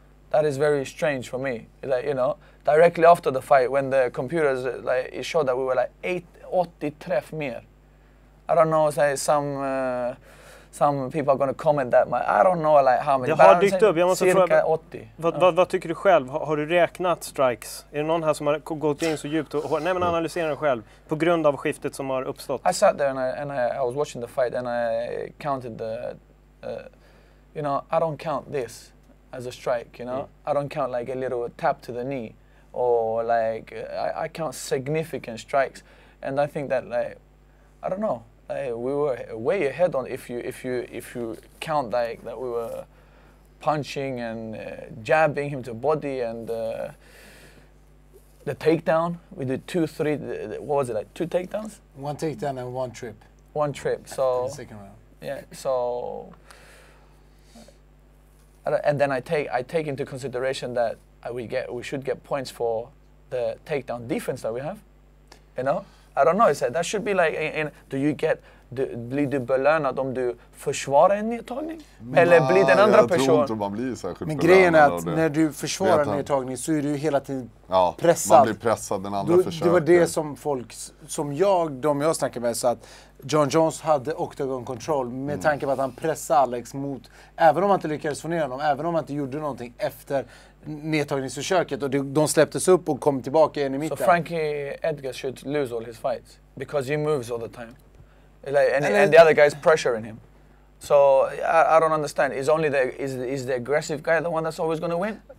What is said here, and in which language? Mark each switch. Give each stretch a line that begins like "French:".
English: That is very strange for me. Like, you know, directly after the fight, when the computers like it showed that we were like 80
Swedish: träff mer.
English: I don't know, say some people are going to comment that much. I don't know like how many.
Swedish: Det har dykt upp. Jag måste fråga. 80. Vad tycker du själv? Har du räknat strikes? Är det någon här som har gått in så djupt och nej men analysera dig själv på grund av skiftet som har uppstått?
English: I sat there and I was watching the fight and I counted the you know, I don't count this as a strike, you know. Mm. I don't count like a little tap to the knee or like I count significant strikes and I think that like I don't know. Like we were way ahead on if you count like that we were punching and jabbing him to body and the takedown. We did 2-3. What was it like? 2 takedowns. 1 takedown and 1 trip. 1 trip. So in the second round. Yeah. So and then I take into consideration that we should get points for the takedown defense that we have. You know. I don't know. I said that should be like. Do you get?
Swedish: Blir du belönad om du försvarar en nedtagning? Eller blir den andra personen? Jag tror inte man blir särskilt belönad. Men grejen är att när du försvarar en nedtagning så är du hela tiden pressad. Man blir pressad, den andra försöker. Det var det som folk, som jag, de jag snackar med, så att John Jones hade octagon control med tanke på att han pressade Alex mot, även om han inte lyckades få ner honom, även om han inte gjorde någonting efter nedtagningsförsöket och de släpptes upp och kom tillbaka in i mitten.
English: So Frankie Edgar should lose all his fights because he moves all the time. Like, and the other guy's pressuring him. So I don't understand. Is only the is the aggressive guy the one that's always going to win?